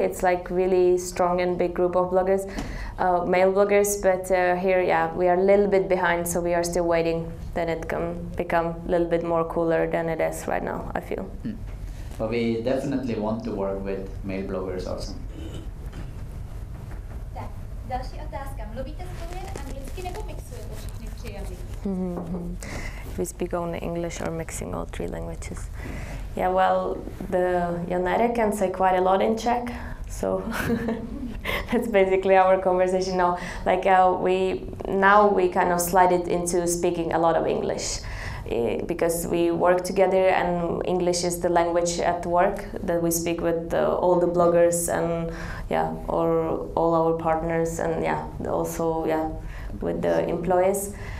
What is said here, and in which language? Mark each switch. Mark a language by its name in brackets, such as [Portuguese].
[English] It's like really strong and big group of bloggers, male bloggers. But here, yeah, we are a little bit behind, so we are still waiting that it can become a little bit more cooler than it is right now, I feel. Mm. But we definitely want to work with male bloggers also. [Czech] Tak, další otázka. Mluvíte spolu jen anglicky nebo mixujete všechny tři jazyky? [English] We speak only English or mixing all three languages. Yeah, well, the Janere can say quite a lot in Czech, so that's basically our conversation now. Like we kind of slide it into speaking a lot of English, because we work together and English is the language at work that we speak with all the bloggers and yeah, or all our partners and yeah, also yeah, with the employees.